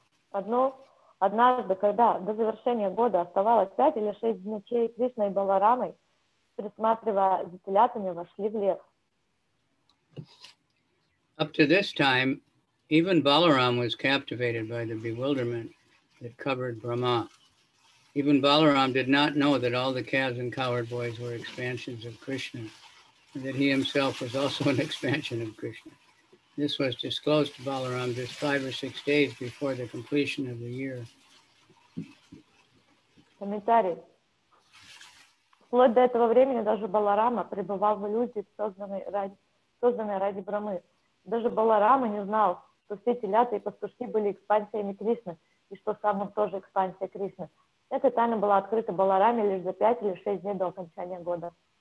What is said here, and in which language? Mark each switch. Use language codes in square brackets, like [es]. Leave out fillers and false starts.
[ru] Однажды, когда до завершения года оставалось 5 или 6 дней, Кришна и Баларамой, присматривая за телятами, вошли в лес. [en] Up to this time, even Balaram was captivated by the bewilderment that covered Brahmâ. Even Balaram did not know that all the calves and cowherd boys were expansions of Krishna, and that he himself was also an expansion of Krishna. This was disclosed to Balaram just 5 or 6 days before the completion of the year. [ru] Комментарий. Вплоть до этого времени даже Баларама пребывал в иллюзии, созданной ради Брамы. Даже Баларама не знал, что все теляты и пастушки были экспансиями Кришны, и что сам он тоже экспансия Кришны. Эта тайна была открыта Балараме лишь за 5 или 6 дней до окончания года.